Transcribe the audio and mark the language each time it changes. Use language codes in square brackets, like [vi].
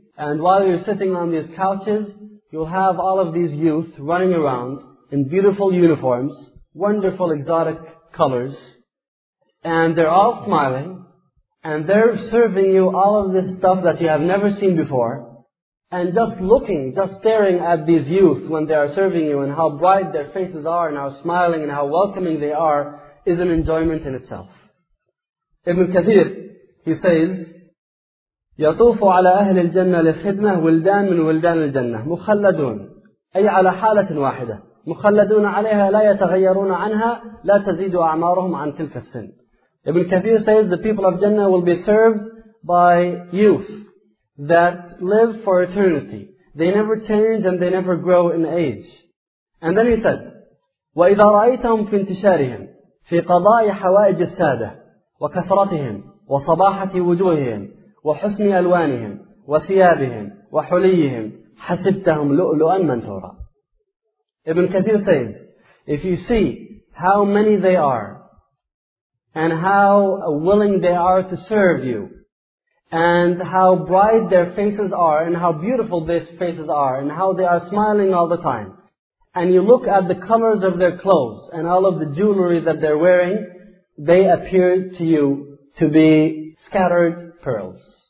[en] And while you're sitting on these couches, you'll have all of these youth running around in beautiful uniforms, wonderful exotic colors, and they're all smiling, and they're serving you all of this stuff that you have never seen before, and just looking, just staring at these youth when they are serving you, and how bright their faces are, and how smiling, and how welcoming they are, is an enjoyment in itself. Ibn Kathir, he says, [ar] يَطُوفُ عَلَىٰ أَهْلِ الْجَنَّةِ لِخِدْمَةِ وِلْدَانٌ مِنْ وِلْدَانِ الْجَنَّةِ مُخَلَّدُونَ أي على حالة واحدة مُخَلَّدُونَ عَلَيْهَا لَا يَتَغَيَّرُونَ عَنْهَا لَا تَزِيدُ أَعْمَارُهُمْ عَنْ تِلْكَ السِّنِ. [en] Ibn Kathir says the people of Jannah will be served by youth that live for eternity. They never change and they never grow in age. And then he said, [ar] وَإِذَا رَأَيْتَهُمْ فِي انْتِشَارِهِمْ فِي قَضَاءِ حَوَائِجِ السَّادَةِ وَكَثْرَتِهِمْ وَصَبَاحَةِ وُجُوهِهِمْ وَحُسْنِ أَلْوَانِهِمْ وَثِيَابِهِمْ وَحُلِيِّهِمْ حَسِبْتَهُمْ لُؤْلُؤًا مَنْثُورًا. [en] Ibn Kathir says, if you see how many they are, and how willing they are to serve you, and how bright their faces are, and how beautiful their faces are, and how they are smiling all the time, and you look at the colors of their clothes, and all of the jewelry that they're wearing, they appear to you to be scattered pearls.